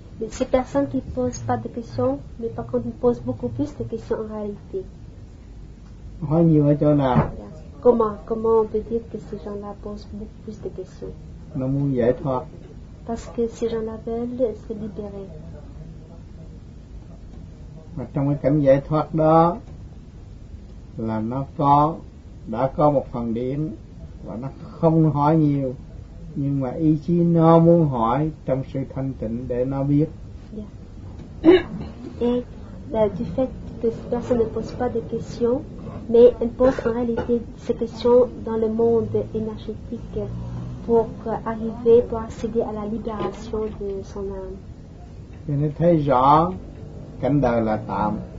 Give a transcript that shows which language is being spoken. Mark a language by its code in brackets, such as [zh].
[fr] Ces personnes qui ne posent pas de questions, mais par contre, ils posent beaucoup plus de questions en réalité. [vi] Hỏi nhiều ở chỗ nào? [fr] Comment on peut dire que ces gens-là posent beaucoup plus de questions? [vi] Nó muốn giải thoát. [fr] Parce que ces gens-là veulent se libérer. [vi] Mà trong cái cảnh giải thoát đó, là nó có, đã có một phần điển, và nó không hỏi nhiều. Nhưng mà ý chí nó muốn hỏi trong sự thanh tịnh để nó biết. [fr] Et du fait que cette personne ne pose pas de questions, mais elle pose en réalité ces questions dans le monde énergétique pour arriver, pour accéder à la libération de son âme. [vi] Et nó thấy rõ cảnh đời là tạm.